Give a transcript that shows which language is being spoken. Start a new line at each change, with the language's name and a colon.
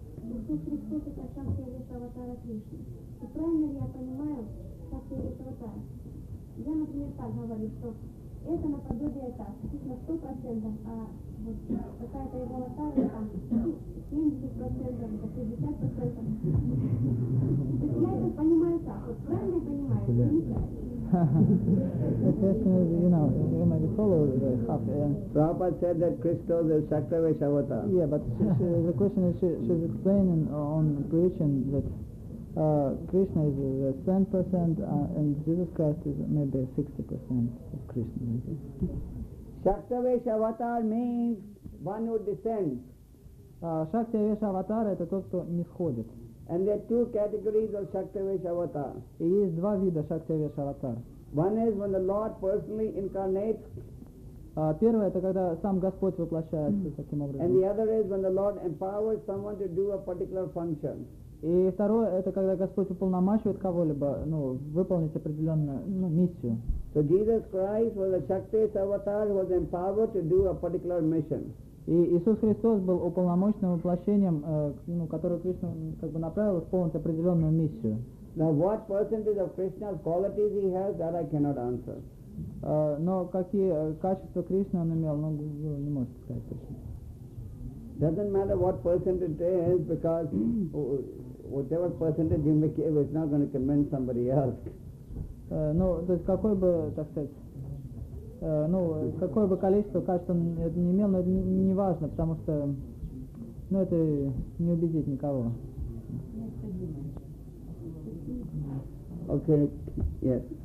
Russian: И правильно ли я понимаю, как ты это вытаскиваешь? Я, например, так говорю, что это наподобие так, на 100%, а вот какая-то его аватара там 70%, 50%. То есть я это понимаю так, вот правильно я понимаю?
English: The question is, you might be followed half. Prabhupada said that Krishna is Shaktavesh Avatar. Yeah, but the question is, she's explaining on the preaching that Krishna is 10% and Jesus Christ is maybe 60% of Krishna. Shaktavesh Avatar means one who descends.
Russian: Shaktavesh Avatar – это тот, кто нисходит.
English: And there are two categories of Shaktavesh Avatar.
Russian: И есть два вида Shaktavesh Avatar.
English: One is when the Lord personally incarnates.
Russian: Первое это когда сам Господь воплощается таким образом.
English: And the other is when the Lord empowers someone to do a particular function.
Russian: И второе это когда Господь уполномачивает кого-либо, выполнить определенную миссию.
English: So Jesus Christ was a Shaktavesh Avatar who was empowered to do a particular mission.
Russian: И Иисус Христос был уполномоченным воплощением, которое Кришна как бы направил исполнить определенную миссию.
English: Now what percentage of Krishna's qualities he has, that I cannot answer.
Russian: Но какие качества Кришны он имел, Гуру не может сказать точно.
English: Doesn't matter what percentage it is, because whatever percentage you make, it is not going to convince somebody else.
Russian: То есть какой бы, так сказать, какое бы количество, качество он не имел, но это не важно, потому что, это не убедит никого.
English: Okay, yes.